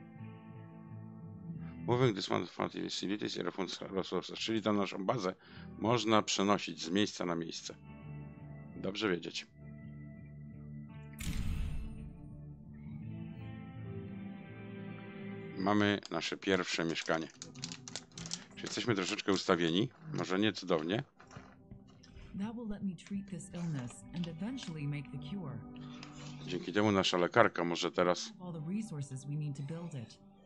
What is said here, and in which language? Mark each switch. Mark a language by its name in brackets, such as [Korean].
[English] Okay. Moving this one from the facilities and refund resources, [Polish] czyli tą naszą bazę można przenosić z miejsca na miejsce. Dobrze wiedzieć. Mamy nasze pierwsze mieszkanie. Czy jesteśmy troszeczkę ustawieni, może nie cudownie. [English] That will let me treat this illness and eventually make the cure. [Polish] Dzięki temu nasza lekarka może teraz. [English] All the resources we need to build it.